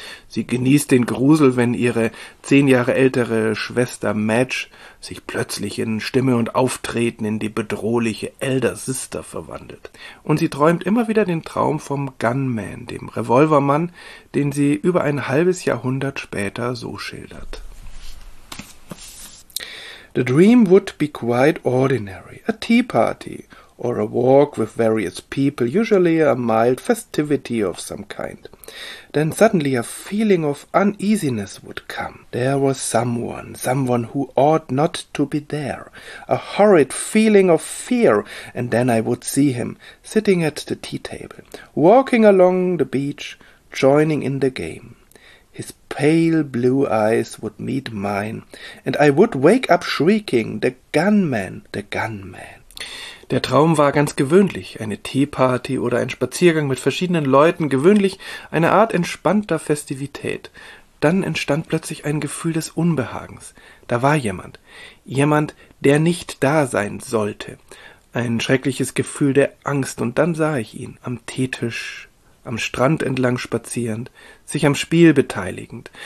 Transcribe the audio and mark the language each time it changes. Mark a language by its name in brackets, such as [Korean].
[German] Sie genießt den Grusel, wenn ihre 10 Jahre ältere Schwester Madge sich plötzlich in Stimme und Auftreten in die bedrohliche Elder Sister verwandelt. Und sie träumt immer wieder den Traum vom Gunman, dem Revolvermann, den sie über ein halbes Jahrhundert später so schildert. [English] The dream would be quite ordinary, a tea party, or a walk with various people, usually a mild festivity of some kind. Then suddenly a feeling of uneasiness would come. There was someone who ought not to be there. A horrid feeling of fear, and then I would see him, sitting at the tea table, walking along the beach, joining in the game. His pale blue eyes would meet mine, and I would wake up shrieking, the gunman, the gunman. [German] Der Traum war ganz gewöhnlich, eine Teeparty oder ein Spaziergang mit verschiedenen Leuten, gewöhnlich eine Art entspannter Festivität. Dann entstand plötzlich ein Gefühl des Unbehagens. Da war jemand, der nicht da sein sollte. Ein schreckliches Gefühl der Angst, und dann sah ich ihn am Teetisch, am Strand entlang spazierend, sich am Spiel beteiligend.